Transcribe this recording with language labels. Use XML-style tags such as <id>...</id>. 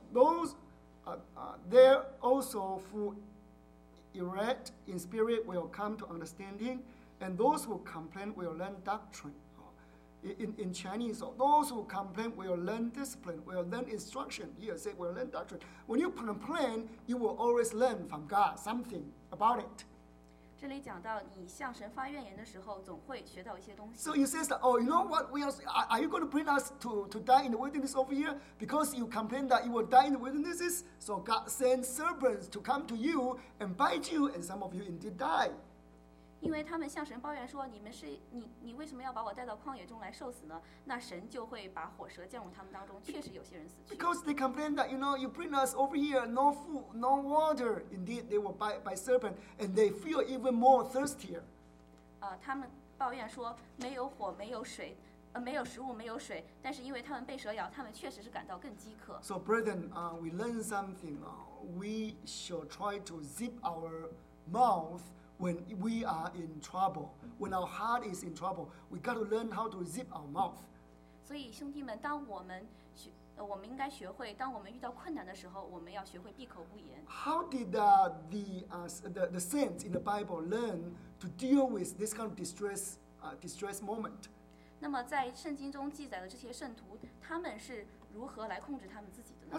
<en>Those there also who erect in spirit will come to understanding, and those who complain will learn doctrine. In Chinese, so those who complain will learn discipline, will learn instruction. Here, say, will learn doctrine. When you complain, you will always learn from God something about it.</en> <zh>这里讲到你向神发怨言的时候，总会学到一些东西。</zh> <en>So he says, oh, you know what? Are you going to bring us to die in the wilderness over here? Because you complain that you will die in the wildernesses, so God sends serpents to come to you and bite you, and some of you indeed die.</en> <zh>因为他们向神抱怨说，你为什么要把我带到旷野中来受死呢？那神就会把火蛇降入他们当中，确实有些人死去。</zh> <en>Because they complain that, you know, you bring us over here, no food, no water. Indeed, they were bit by serpent, and they feel even more thirstier.</en> <zh>他们抱怨说没有火，没有水，没有食物，没有水。但是因为他们被蛇咬，他们确实是感到更饥渴。</zh> <en>So, brethren, we learn something. We shall try to zip our mouth. When we are in trouble, when our heart is in trouble, we got to learn how to zip our mouth.</en> <zh>所以兄弟们，当我们学，我们应该学会，当我们遇到困难的时候，我们要学会闭口不言。</zh> <en>How did the saints in the Bible learn to deal with this kind of distress moment?</en> <zh>那么在圣经中记载的这些圣徒，他们是如何来控制他们自己的呢？</zh>